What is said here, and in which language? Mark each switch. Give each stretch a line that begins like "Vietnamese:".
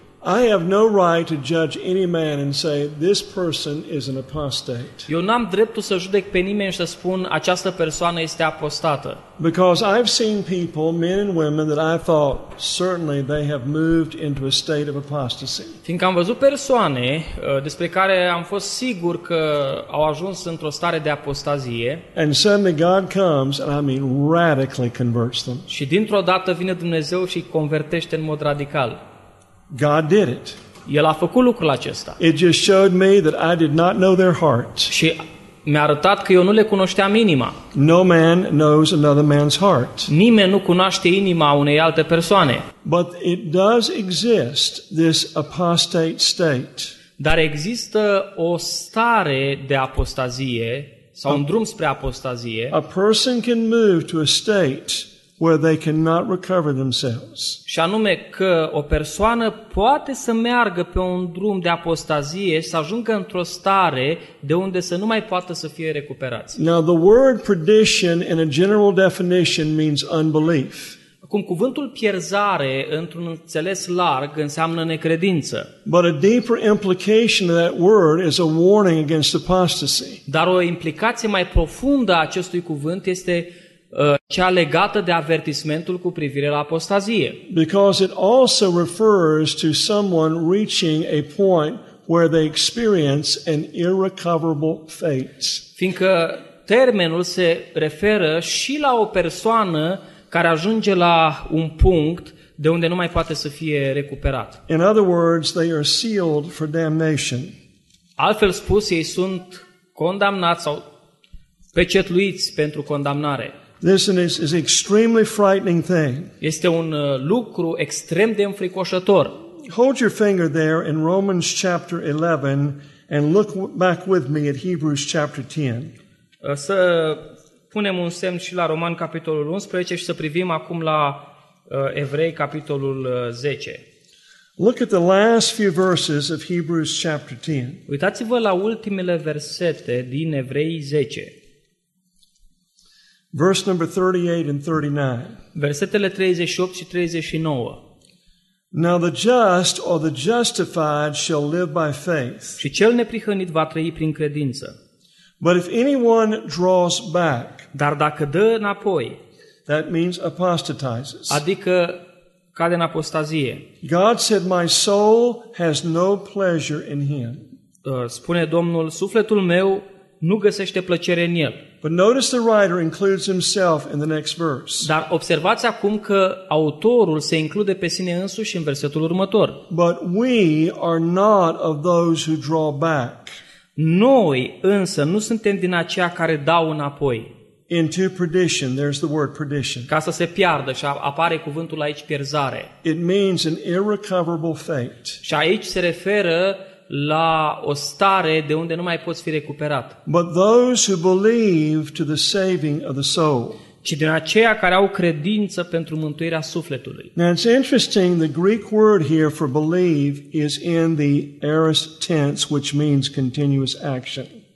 English: I have no right to judge any man and say this person is an apostate.
Romanian: Eu n-am dreptul să judec pe nimeni și să spun această persoană este apostată.
English: Because I've seen people, men and women, that I thought certainly they have moved into a state of apostasy.
Romanian: Fiindcă am văzut persoane despre care am fost sigur că au ajuns într-o stare de apostazie.
English: And suddenly God comes and I mean radically converts them.
Romanian: Și dintr-o dată vine Dumnezeu și convertește în mod radical.
English: God did it.
Romanian: El a făcut lucrul acesta.
English: It just showed me that I did not know their heart.
Romanian: Și mi-a arătat că eu nu le cunoșteam inima.
English: No man knows another man's heart.
Romanian: Nimeni nu cunoaște inima unei alte persoane.
English: But it does exist, this apostate state.
Romanian: Dar există o stare de apostazie sau un drum spre apostazie.
English: A person can move to a state where they cannot recover themselves.
Romanian: Și anume că o persoană poate să meargă pe un drum de apostazie și să ajungă într-o stare de unde să nu mai poată să fie recuperați.
English: Now the word perdition in a general definition means unbelief.
Romanian: Acum cuvântul pierzare într-un înțeles larg înseamnă necredință.
English: But a deeper implication of that word is a warning against apostasy.
Romanian: Dar o implicație mai profundă a acestui cuvânt este cea legată de avertismentul cu privire la apostazie.
English: Because it also refers to someone reaching a point where they experience an irrecoverable fate.
Romanian: Fiindcă termenul se referă și la o persoană care ajunge la un punct de unde nu mai poate să fie recuperat.
English: In other words, they are sealed for damnation.
Romanian: Altfel spus, ei sunt condamnați sau pecetluiți pentru condamnare.
English: This is an extremely frightening thing.
Romanian: Este un lucru extrem de înfricoșător.
English: Hold your finger there in Romans chapter 11 and look back with me at Hebrews chapter 10.
Romanian: Să punem un semn și la Roman capitolul 11 și să privim acum la Evrei capitolul 10.
English: Look at the last few verses of Hebrews chapter 10.
Romanian: Uitați-vă la ultimele versete din Evrei 10.
English: Verse number 38 and 39.
Romanian: Versetele 38 și 39.
English: Now the just or the justified shall live by faith.
Romanian: Și cel neprihănit va trăi prin credință.
English: But if anyone draws back,
Romanian: dar dacă dă înapoi,
English: that means apostatizes.
Romanian: Adică cade în apostazie.
English: God said, my soul has no pleasure in him.
Romanian: Spune Domnul, sufletul meu nu găsește plăcere în el.
English: But notice the writer includes himself in the next verse.
Romanian: Dar observați acum că autorul se include pe sine însuși în versetul următor.
English: But we are not of those who draw back.
Romanian: Noi însă nu suntem din aceia care dau înapoi.
English: Into perdition, there's the word perdition.
Romanian: Ca să se piardă și apare cuvântul aici pierzare.
English: It means an irrecoverable fate.
Romanian: Și aici se referă la o stare de unde nu mai poți fi recuperat.
English: But those who believe to the saving of the soul.
Romanian: Ci din aceia care au credință pentru mântuirea sufletului.
English: Now it's interesting, the Greek word here for believe is in the aorist tense, which means continuous action.